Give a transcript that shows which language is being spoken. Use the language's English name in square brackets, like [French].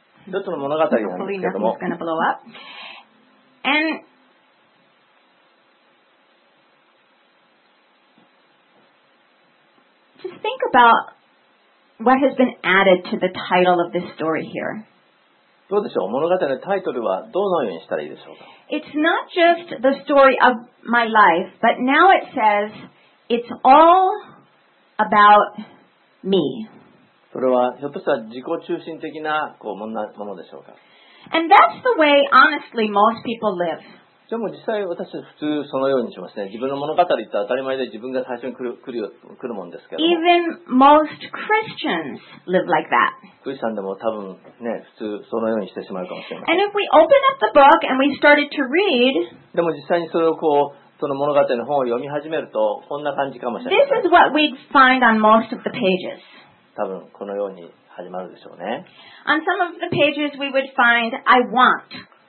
[English] Hopefully nothing's going to blow up. And... Just think about what has been added to the title of this story here. [Japanese] どうでしょう?物語のタイトルはどのようにしたらいいでしょうか? [English] It's not just the story of my life, but now it says it's all about me. [Japanese] それはひょっとしたら自己中心的なこうものでしょうか? [English] And that's the way, honestly, most people live. [Japanese] でも実際私は普通そのようにしますね。自分の物語って当たり前で自分が最初に来るもんですけど。 [English] Even most Christians live like that. [Japanese] クリスチャンでも多分ね、普通そのようにしてしまうかもしれません。 [English] And if we open up the book and we started to read, [Japanese] でも実際にそれをこう、その物語の本を読み始めるとこんな感じかもしれません。 [English] This is what we'd find on most of the pages. [Japanese] 多分このように始まるでしょうね。 [English] On some of the pages we would find, I want.